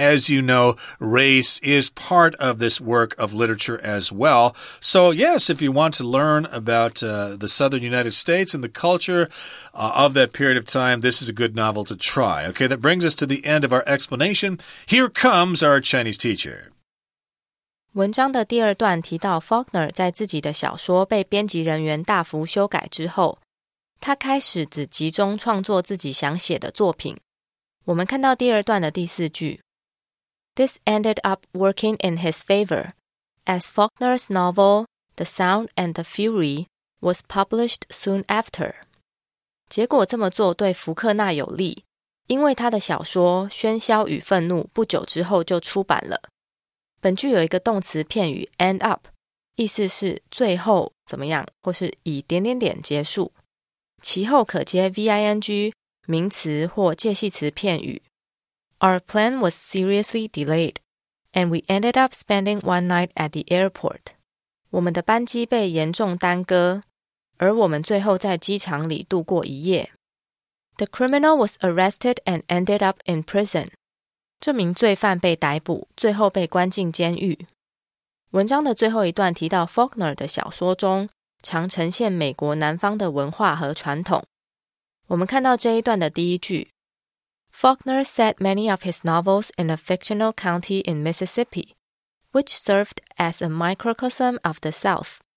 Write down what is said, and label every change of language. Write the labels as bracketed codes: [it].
[en] As you know, race is part of this work of literature as well. So, yes, if you want to learn about the southern United States and the culture of that period of time, this is a good novel to try. Okay, that brings us to the end of our explanation. Here comes our Chinese teacher. [zh] 文章的第二段提到 Faulkner 在自己的小说被编辑人员大幅修改之后，他开始只集中创作自己想写的作品。我们看到第二段的第四句， [en] This ended up working in his favor. As Faulkner's novel, The Sound and the Fury, was published soon after. [zh] 结果这么做对福克纳有利，因为他的小说《喧嚣与愤怒》不久之后就出版了。本句有一个动词片语 end up, 意思是最后怎么样，或是以点点点结束。其后可接 ving, 名词或介系词片语。 [en] Our plan was seriously delayed. And we ended up spending one night at the airport. [zh] 我们的班机被严重耽搁，而我们最后在机场里度过一夜。 [en] The criminal was arrested and ended up in prison. [zh] 这名罪犯被逮捕，最后被关进监狱。文章的最后一段提到 Faulkner 的小说中常呈现美国南方的文化和传统。我们看到这一段的第一句， [en] Faulkner set many of his novels in a fictional county in Mississippi, which served as a microcosm of the South.